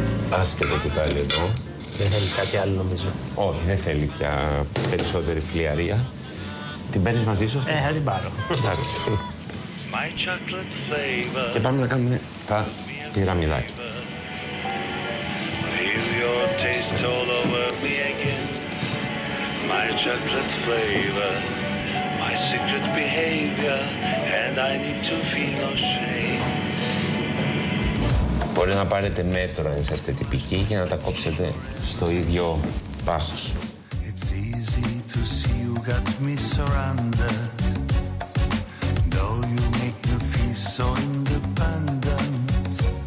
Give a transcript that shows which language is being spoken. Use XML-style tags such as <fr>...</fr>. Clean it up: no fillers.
<el>Άσχετο κουτάλι εδώ. Δεν θέλει κάτι άλλο νομίζω. Όχι, δεν θέλει πια περισσότερη φλιαρία. Την παίρνεις μαζί σου αυτή. Θα την πάρω. Εντάξει.</el> <en>My chocolate flavor.</en> <el>Και πάμε να κάνουμε τα πυραμιδάκια.</el> <en>Leave your taste all over me again. My chocolate flavor, my secret behavior, and I need to feel no shame.</en> <el>Μπορεί να πάρετε μέτρο αν είσαστε τυπικοί και να τα κόψετε στο ίδιο πάχος.</el> <en>It's easy to see you got me surrounded. Though you make me feel so independent.</en>